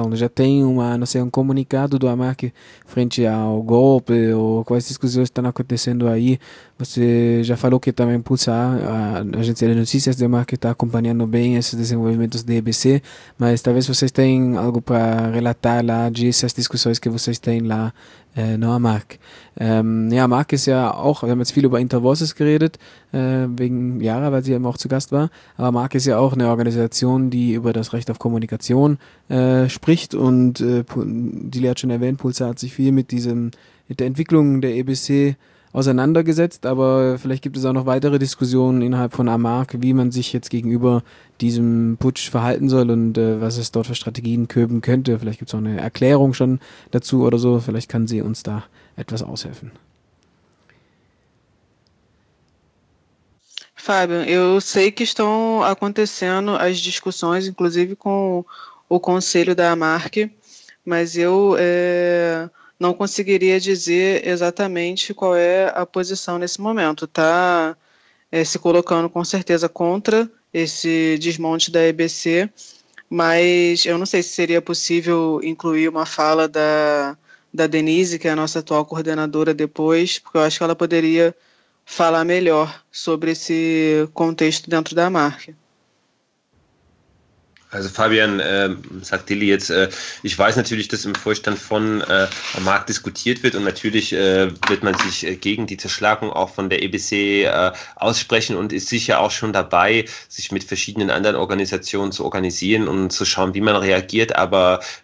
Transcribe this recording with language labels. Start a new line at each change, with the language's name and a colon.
Portuguese: Já tem um comunicado do AMAC frente ao golpe ou quais discussões estão acontecendo aí? Você já falou que também a Agência de Notícias do AMAC está acompanhando bem esses desenvolvimentos da EBC, mas talvez vocês tenham algo para relatar lá dessas discussões que vocês têm lá no AMAC.
German: AMAC ist ja auch, wir haben jetzt viel über Intervozes geredet, wegen Yara, weil sie eben auch zu Gast war, aber AMAC ist ja auch eine Organisation, die über das Recht auf Kommunikation spricht und Dilly hat schon erwähnt, Pulsar hat sich viel mit der Entwicklung der EBC auseinandergesetzt, aber vielleicht gibt es auch noch weitere Diskussionen innerhalb von AMAC, wie man sich jetzt gegenüber diesem Putsch verhalten soll und was es dort für Strategien geben könnte. Vielleicht gibt es auch eine Erklärung schon dazu oder so, vielleicht kann sie uns da etwas aushelfen.
Portuguese: Fábio, eu sei que estão acontecendo as discussões, inclusive com o conselho da AMARC, mas eu não conseguiria dizer exatamente qual é a posição nesse momento. Está se colocando com certeza contra esse desmonte da EBC, mas eu não sei se seria possível incluir uma fala da Denise, que é a nossa atual coordenadora, depois, porque eu acho que ela poderia falar melhor sobre esse contexto dentro da marca.
German: Also Fabian, sagt Dilly jetzt, ich weiß natürlich, dass im Vorstand von AMAC diskutiert wird und natürlich wird man sich gegen die Zerschlagung auch von der EBC aussprechen und ist sicher auch schon dabei, sich mit verschiedenen anderen Organisationen zu organisieren und zu schauen, wie man reagiert, aber